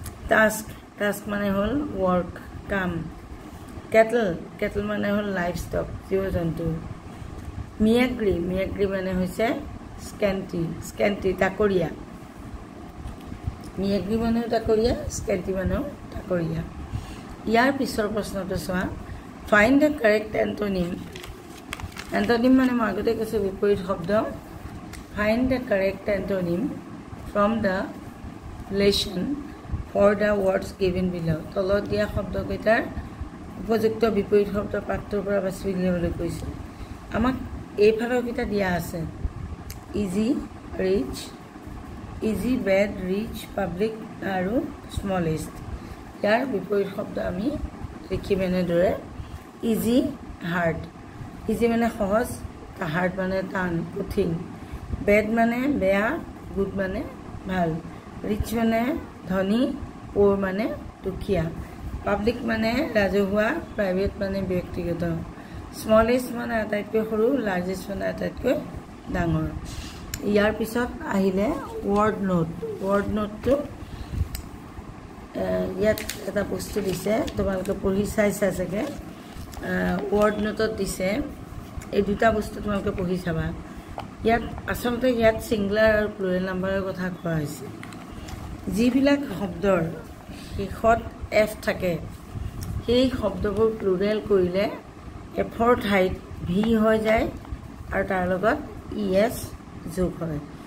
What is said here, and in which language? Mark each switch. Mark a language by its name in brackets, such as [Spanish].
[Assamese] Task, task মানে হ'ল work, কাম। কেটল, কেটল মানে হ'ল লাইফ ষ্টক, জীৱ জন্তু। মিয়াগ্ৰী, মিয়াগ্ৰী মানে হৈছে স্কেণ্টি, স্কেণ্টি তাকৰীয়া। মিয়াগ্ৰী মানেও তাকৰীয়া, স্কেণ্টি মানেও তাকৰীয়া। ইয়াৰ পিছৰ প্ৰশ্নটো চোৱা, [English] Find the correct antonym. [Assamese] Antonym মানে মই আগতে কৈছোঁ বিপৰীত শব্দ। [English] Find the correct antonym from the relation for the words given below. [Assamese] তলত দিয়া শব্দকেইটাৰ উপযুক্ত বিপৰীত শব্দ পাঠটোৰ পৰা বাছি উলিয়াবলৈ কৈছোঁ। আমাক এইফালৰকেইটা দিয়া আছে, easy rich, easy bed rich public আৰু স্মলেষ্ট। ইয়াৰ বিপৰীত শব্দ আমি লিখিম এনেদৰে, ইজি হাৰ্ড, ইজি মানে সহজ, হাৰ্ড মানে টান, কঠিন। বেড মানে বেয়া, গুড মানে ভাল। ৰিচ মানে ধনী, পুৰ মানে দুখীয়া। পাব্লিক মানে ৰাজহুৱা, প্ৰাইভেট মানে ব্যক্তিগত। স্মলেষ্ট মানে আটাইতকৈ সৰু, লাৰ্জেষ্ট মানে আটাইতকৈ ডাঙৰ। ইয়াৰ পিছত আহিলে ৱৰ্ড নোট। ৱৰ্ড নোটটো ইয়াত এটা বস্তু দিছে, তোমালোকে পঢ়ি চাইছা চাগে। ৱৰ্ড নোটত দিছে এই দুটা বস্তু তোমালোকে পঢ়ি চাবা। ইয়াত আচলতে ইয়াত ছিংগুলাৰ আৰু প্লুৰেল নাম্বাৰৰ কথা কোৱা হৈছে। যিবিলাক শব্দৰ শেষত এফ থাকে সেই শব্দবোৰ প্লুৰেল কৰিলে এফৰ ঠাইত ভি হৈ যায় আৰু তাৰ লগত ই এছ যোগ হয়।